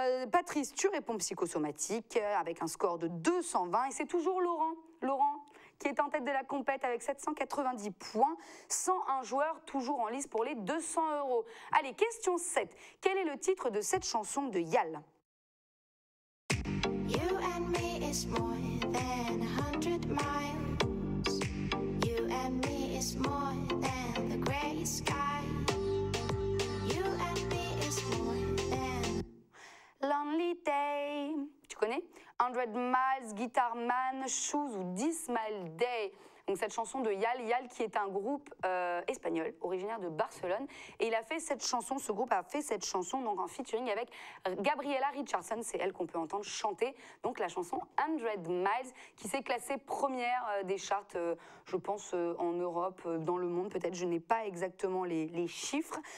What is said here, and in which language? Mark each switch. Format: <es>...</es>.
<fr>Patrice, tu réponds psychosomatique avec un score de 220. Et c'est toujours Laurent, qui est en tête de la compète avec 790 points, 101 joueurs toujours en lice pour les 200 euros. Allez, question 7. Quel est le titre de cette chanson de Yal?</fr> <en>You and me is more than 100 miles. You and me is more than the gray sky. You and me is more than lonely day.</en> <fr>Tu connais 100 Miles, Guitar Man, Shoes ou 10 Mile Day? Donc cette chanson de Yal, Yal qui est un groupe espagnol, originaire de Barcelone. Et il a fait cette chanson, ce groupe a fait cette chanson donc en featuring avec Gabriela Richardson, c'est elle qu'on peut entendre chanter. Donc la chanson 100 Miles qui s'est classée première des charts, je pense en Europe, dans le monde peut-être, je n'ai pas exactement les chiffres.</fr>